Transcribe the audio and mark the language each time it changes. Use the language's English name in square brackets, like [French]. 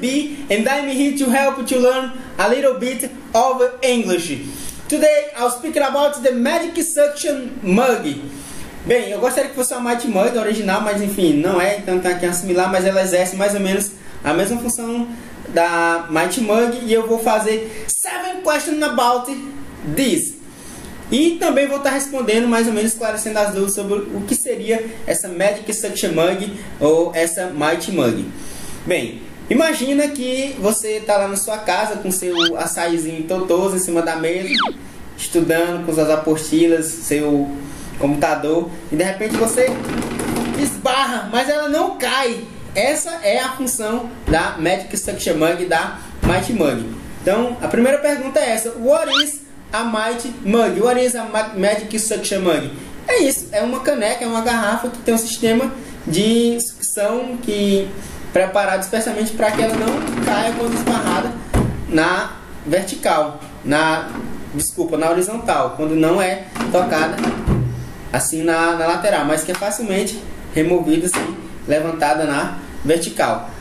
[English] B and I'm here to help you learn a little bit of English. Today I'll speak about the Magic Suction Mug. [Portuguese] Bem, eu gostaria que fosse uma Mighty Mug original, mas enfim, não é, então tá aqui assimilar, mas ela exerce mais ou menos a mesma função da Mighty Mug e eu vou fazer 7 questions about this. E também vou estar respondendo, mais ou menos, esclarecendo as dúvidas sobre o que seria essa Magic Suction Mug ou essa Mighty Mug. Bem, imagina que você está lá na sua casa com seu açaizinho totoso em cima da mesa, estudando com suas apostilas, seu computador, e de repente você esbarra, mas ela não cai. Essa é a função da Magic Suction Mug, da Mighty Mug. Então, a primeira pergunta é essa: [English] what is a Mighty Mug? What is a Magic Suction Mug? [Portuguese] É isso, é uma caneca, é uma garrafa que tem um sistema de sucção que preparado especialmente para que ela não caia quando esbarrada na vertical, na horizontal, quando não é tocada assim na lateral, mas que é facilmente removida assim, levantada na vertical.